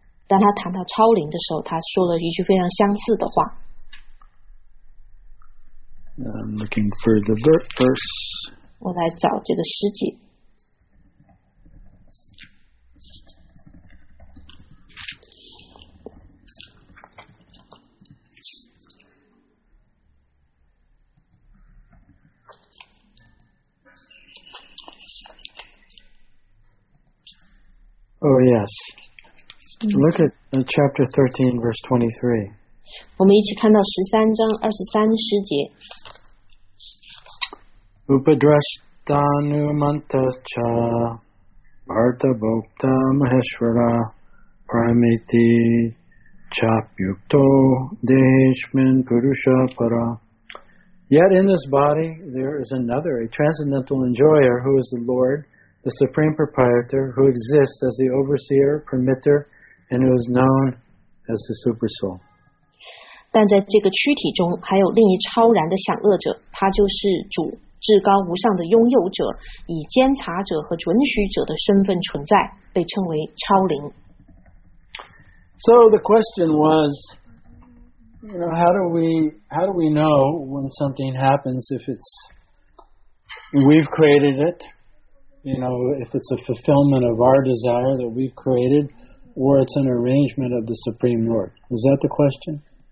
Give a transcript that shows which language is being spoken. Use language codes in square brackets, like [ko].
[zh] 当他谈到超灵的时候他说了一句非常相似的话。 [en] I'm looking for the verse. [zh] 我来找这个诗节。 [en] Oh, yes. Look at chapter 13, verse 23. [zh] 我们一起看到十三章二十三诗节。 [sa] Upadrashtanumantacha Bhartabhokta Maheshwara Pramiti Chapyukto Deshman Purusha Para [en] Yet in this body there is another, a transcendental enjoyer who is the Lord, the Supreme Proprietor, who exists as the overseer, permitter, and who is known as the Super Soul. [zh] 但在这个躯体中还有另一超然的享乐者他就是主至高无上的拥有者以监察者和准许者的身份存在被称为超灵 [en] So the question was you know, how do we know when something happens if it's we've created it you know if it's a fulfillment of our desire that we've created or it's an arrangement of the Supreme Lord Is that the question?